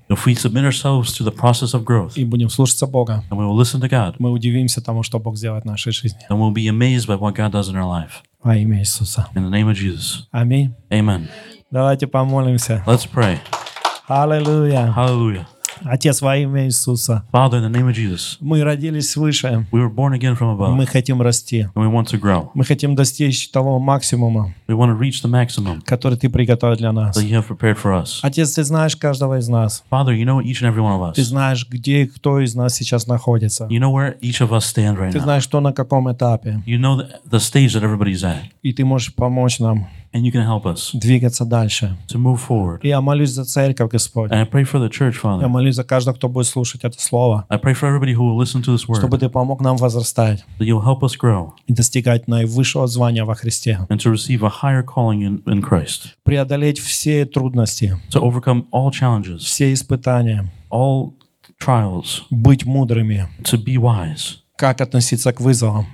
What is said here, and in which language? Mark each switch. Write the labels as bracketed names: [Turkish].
[English] if we submit ourselves to the process of growth, [Russian] и будем слушаться Бога, [English] and we will listen to God, [Russian] мы удивимся тому, что Бог сделает в нашей жизни. [English] And we'll be amazed by what God does in our life. [Russian] Во имя Иисуса. [English] In the name of Jesus. [Russian] Аминь. [English] Amen. [Russian] Давайте помолимся. [English] Let's pray. [Russian] Аллилуйя. Аллилуйя. Отец, во имя Иисуса. [English] Father, in the name of Jesus. [Russian] Мы родились свыше. [English] We were born again from above. [Russian] Мы хотим расти. [English] And we want to grow. [Russian] Мы хотим достичь того максимума. [English] We want to reach the maximum. [Russian] Который ты приготовил для нас. [English] That you have prepared for us. [Russian] Отец, ты знаешь каждого из нас. [English] Father, you know each and every one of us. [Russian] Ты знаешь, где кто из нас сейчас находится. [English] You know where each of us stand right [Russian] now. Ты знаешь, что на каком этапе. [English] You know the stage that everybody's at. [Russian] И ты можешь помочь нам. [English] And you can help us [Russian] двигаться дальше. [English] To move forward. [Russian] И я молюсь за церковь, Господь. [English] And I pray for the church, Father. [Russian] Я молюсь за каждого, кто будет слушать это слово. [English] I pray for everybody who will listen to this word. [Russian] Чтобы ты помог нам возрастать. [English] That you'll help us grow. [Russian] И достигать наивысшего звания во Христе. [English] And to receive a higher calling in Christ. [Russian] Преодолеть все трудности. [English] To overcome all challenges. [Russian] Все испытания. [English] All trials. [Russian] Быть мудрыми. [English] To be wise. [Russian] Как относиться к вызовам.